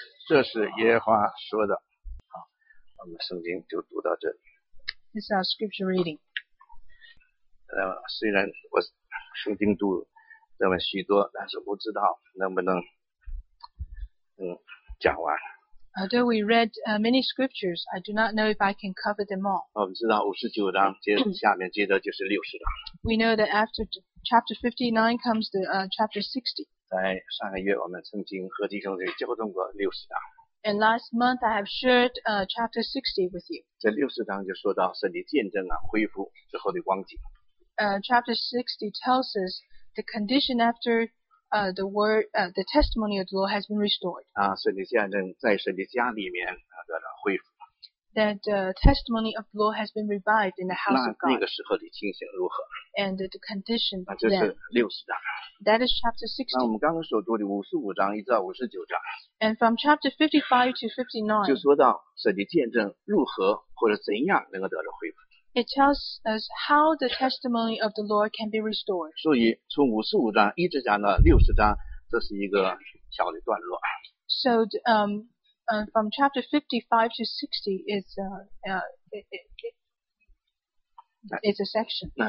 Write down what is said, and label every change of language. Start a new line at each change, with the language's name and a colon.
Chinese: 这是耶和华说的。我们圣经就读到这里。
English: This is our scripture reading.
Chinese: 虽然我圣经读这么许多，但是不知道能不能讲完。
English: Although we read many scriptures, I do not know if I can cover them all.
Chinese: 我们知道五十九章下面接着就是六十章。
English: We know that after chapter 59 comes the chapter 60.
Chinese: 在上个月我们曾经和弟兄们交通过六十章。
English: And last month I have shared chapter 60 with you.
Chinese: 这六十章就说到神的见证啊，恢复之后的光景。
English: Chapter 60 tells us the condition after the word, the testimony of the Lord has been restored.
Chinese: 啊，神的见证在神的家里面得到恢复。
English: That the testimony of the Lord has been revived in the house of God.
Chinese: 那个时候的情形如何
English: ？And the condition.
Chinese: 那就是六十章。
English: That is chapter 60.
Chinese: 那我们刚刚所读的五十五章一直到五十九章。
English: And from chapter 55 to 59.
Chinese: 就说到神的见证如何或者怎样能够得到恢复。
English: It tells us how the testimony of the Lord can be restored.
Chinese: 所以从五十五章一直讲到六十章，这是一个小的段落。
English: So from chapter 55 to 60 is it's a section.